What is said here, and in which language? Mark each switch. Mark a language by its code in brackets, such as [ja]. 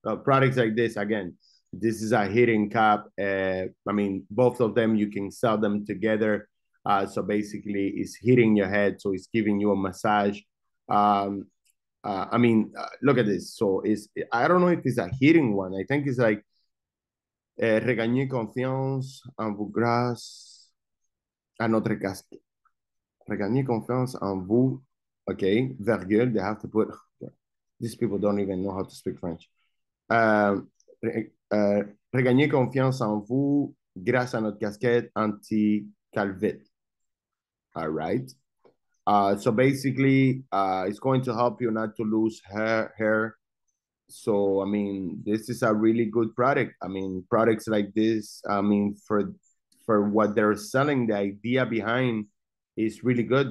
[en] Products like this, again, this is a hidden cap. I mean, both of them, you can sell them together. So basically, it's hitting your head. So it's giving you a massage. Look at this. So it's, I don't know if it's a hidden one. I think it's like, [fr] Regagné confiance en vous grâce à notre casque. Regagné confiance en vous. Okay, virgule. [en] They have to put. These people don't even know how to speak French. [fr] Regagné confiance en vous grâce à notre casquette anti-calvite. [en] All right. So basically, it's going to help you not to lose hair. So, I mean, this is a really good product. I mean, products like this, I mean, for what they're selling, the idea behind is really good.